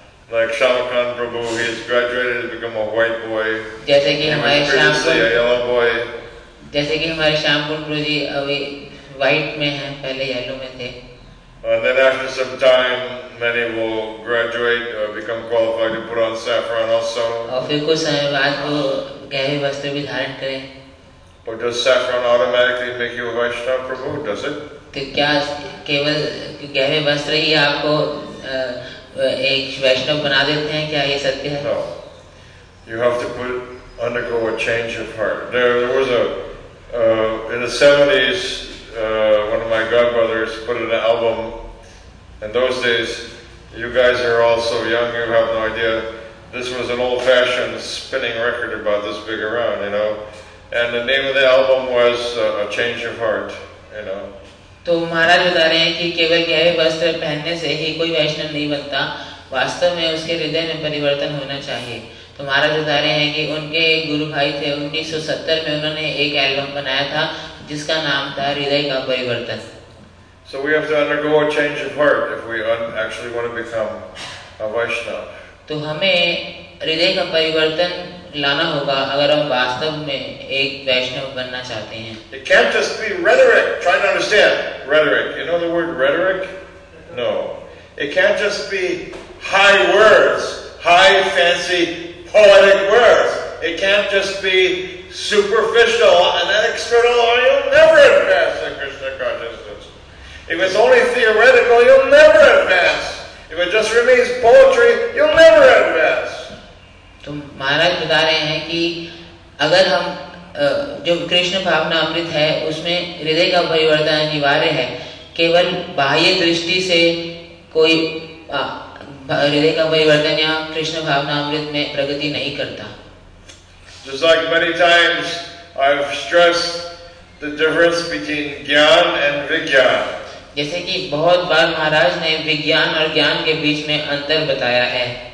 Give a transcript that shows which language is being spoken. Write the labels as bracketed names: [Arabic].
[English] Like Shamakant Prabhu, he has graduated to become a white boy. [Hindi] जैसे कि हमारे श्यामपुर, जैसे कि हमारे श्यामपुर गुरु जी अभी व्हाइट में हैं, पहले येलो में थे. [English] And then after some time, many will graduate or become qualified to put on saffron also. [Hindi] और फिर कुछ समय बाद वो गहरे वस्त्र भी धारण करें. [English] But does saffron automatically make you a Vaishnava Prabhu? Does it? [Hindi] तो क्या केवल गहरे वस्त्र ही आपको एक वैष्णव बना देते हैं, क्या ये सत्य है? [English] No. You have to undergo a change of heart. There was in the 70s, one of my godbrothers put in an album. In those days, You guys are all so young, you have no idea. This was an old-fashioned spinning record about this big around, you know. And the name of the album was A Change of Heart, you know. [Hindi] तो महाराज बता रहे हैं कि केवल गहरे वस्त्र पहनने से ही कोई वैष्णव नहीं बनता, वास्तव में उसके हृदय में परिवर्तन होना चाहिए। तो महाराज बता रहे हैं कि उनके एक गुरु भाई थे, 1970 में उन्होंने एक एल्बम बनाया था जिसका नाम था हृदय का परिवर्तन। [English] So we have to undergo a change of heart if we actually want to become a Vaishnav. [Hindi] तो हमें हृदय का परिवर्तन लाना होगा अगर हम वास्तव में एक वैष्णव बनना चाहते हैं। [English] It can't just be rhetoric. Try to understand rhetoric. You know the word rhetoric? No. It can't just be high words, high fancy poetic words. It can't just be superficial and then external, or you'll never advance in Krishna consciousness. If it's only theoretical, you'll never advance. If it just remains poetry, you'll never advance. [Hindi] तो महाराज बता रहे हैं कि अगर हम जो कृष्ण भावना अमृत है उसमें हृदय का परिवर्तन अनिवार्य है, केवल बाह्य दृष्टि से कोई हृदय का परिवर्तन या कृष्ण भावना अमृत में प्रगति नहीं करता। [English] Just like many times I've stressed the difference between ज्ञान and विज्ञान। [Hindi] जैसे कि बहुत बार महाराज ने विज्ञान और ज्ञान के बीच में अंतर बताया है।